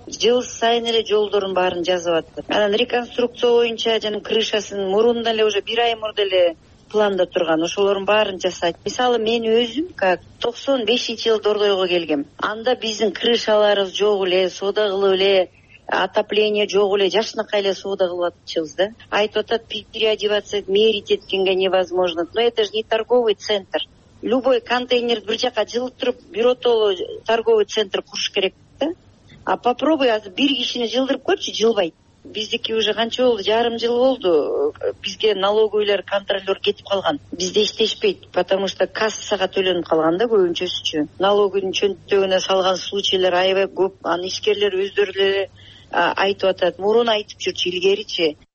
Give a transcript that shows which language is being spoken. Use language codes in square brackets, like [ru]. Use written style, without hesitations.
[ky] Жыл сайын эле жолдордун баарын жазып атты. Анан реконструкция боюнча жана крышасын мурунда эле уже бир ай мурда эле планда турган ошолордун баарын жасайт. Мисалы мен өзүм как 95-жылы Дордойго келгем. Анда биздин крышаларыбыз жок эле, соода кылып эле отопление жок эле, жакшынакай эле соода кылып атчубуз да. Айтып атат, [ru] переодеваться мерить [ky] эткенге [ru] невозможно. Но это же не торговый центр. Любой контейнер [ky] бир жака жылдырып, биротоло [ru] торговый центр [ky] куруш керек да. А попробуй азыр бир кишини жылдырып көрчү, жылбайт. Биздики уже канча болду, жарым жыл болду. Бизге налоговыйлар, контролёр кетип калган. Бизде иштешпейт, [ru] потому что [ky] кассага төлөнүп калган да көбүнчөсүчү. Налогунун чөнтөгүнө салган случайлар аябай көп. Анын ишкерлери өздөрү айтып атат, мурун айтып жүрчү, илгеричи.